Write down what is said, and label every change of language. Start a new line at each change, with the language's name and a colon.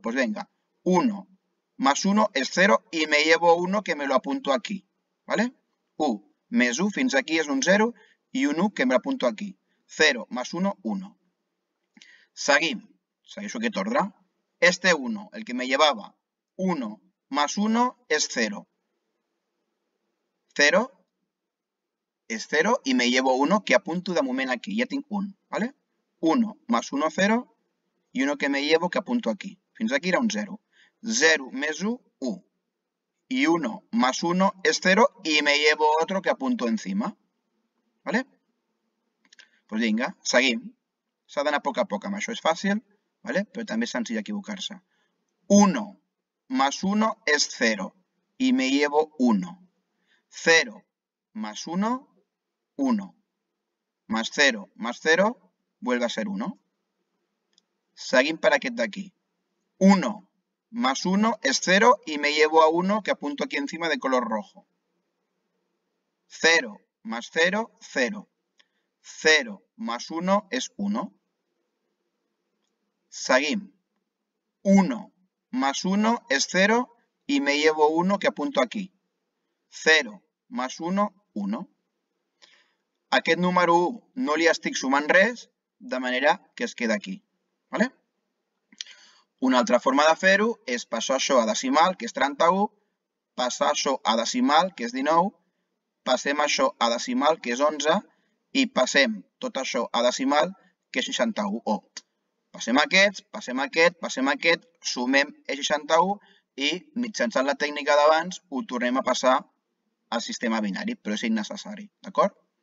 Catalan: Doncs vinga,
Spanish: 1 más 1 és 0 i me llevo 1 que me lo apunto aquí, ¿vale?
Catalan: 1 més 1, fins aquí és un 0, i un 1 que me l'apunto aquí. 0 más 1, 1. Seguim. Segueixo aquest ordre.
Spanish: Este 1, el que me llevava, 1 más 1 és 0.
Catalan: 0 és 0 i
Spanish: me llevo
Catalan: 1 que apunto de moment aquí. Ja tinc 1, ¿vale?
Spanish: 1 más 1, 0, i 1 que me llevo que apunto aquí.
Catalan: Fins aquí era un 0. 0 més 1, 1.
Spanish: Y 1 más 1 es 0 y me llevo otro que apunto encima. ¿Vale? Pues venga, seguim.
Catalan: S'ha d'anar poc a poc, amb això és fàcil, ¿vale? Però també és senzill equivocar-se.
Spanish: 1 más 1 es 0 y me llevo 1. 0 más 1, 1. Más 0 más 0, vuelve a ser 1.
Catalan: Seguim per aquest d'aquí.
Spanish: 1 más 1 es 0 y me llevo a 1 que apunto aquí encima de color rojo. 0 más 0, 0. 0 más 1 es 1. Seguim. 1 más 1 es 0 y me llevo 1 que apunto aquí.
Catalan: 0 más 1, 1. Aquest número 1 no li estic sumant res, de manera que es queda aquí.
Spanish: ¿Vale?
Catalan: Una altra forma de fer-ho és passar això a decimal, que és 31, passar això a decimal, que és 19, passem això a decimal, que és 11, i passem tot això a decimal, que és 61. O passem aquest, passem aquest, passem aquest, sumem el 61 i mitjançant la tècnica d'abans ho tornem a passar al sistema binari, però és innecessari, d'acord?